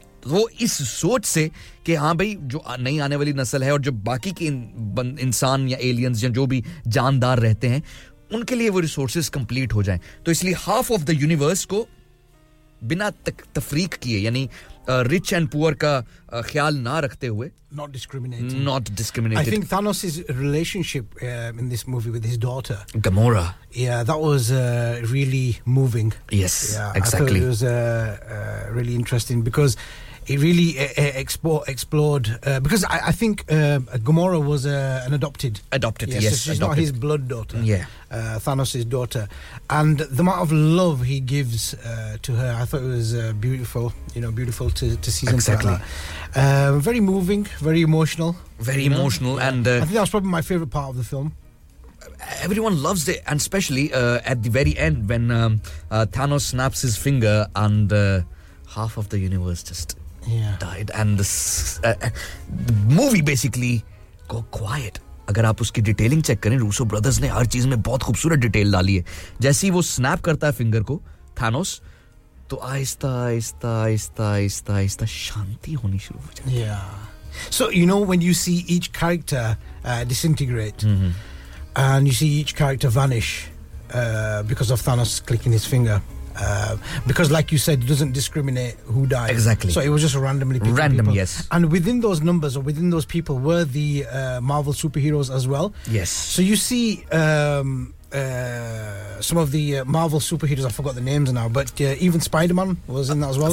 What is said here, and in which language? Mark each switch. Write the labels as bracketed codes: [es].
[hi] तो वो इस सोच से कि हाँ भाई, जो नई आने वाली नस्ल है और जो बाकी के इंसान या एलियंस या जो भी जानदार रहते हैं उनके लिए वो रिसोर्सेज कंप्लीट हो जाएं, तो इसलिए [en] half of the universe [hi] को बिना तफरीक किए, यानी [en] rich and poor [hi] का ख्याल ना रखते हुए, [en] not discriminating. I think Thanos's relationship in this movie with his daughter Gamora, yeah, that was really moving. Yes, yeah, exactly. I thought it was really interesting because it really explored because I think Gamora was an adopted. Yes, yes, so she's adopted. Not his blood daughter. Yeah. Thanos' daughter, and the amount of love he gives to her, I thought it was beautiful. You know, beautiful to see something exactly like that. Very moving, very emotional. Very emotional, yeah. And I think that was probably my favorite part of the film. Everyone loves it, and especially at the very end when Thanos snaps his finger and half of the universe just died, and the movie basically go quiet. [hi] अगर आप उसकी detailing check करें, Russo brothers ने हर चीज में बहुत खूबसूरत detail डाली है. जैसे ही वो स्नैप करता है फिंगर को थानोस, तो आहिस्ता आहिस्ता आहिस्ता आहिस्ता आहिस्ता शांति होनी शुरू हो जाती है. [en] Yeah so you know when you see each character disintegrate and you see each character vanish because of Thanos clicking his finger, Because like you said, it doesn't discriminate who died. Exactly. So it was just randomly picking random people. Yes. And within those numbers, or within those people, were the Marvel superheroes as well. Yes. So you see some of the Marvel superheroes, I forgot the names now, but even Spider-Man was in that as well.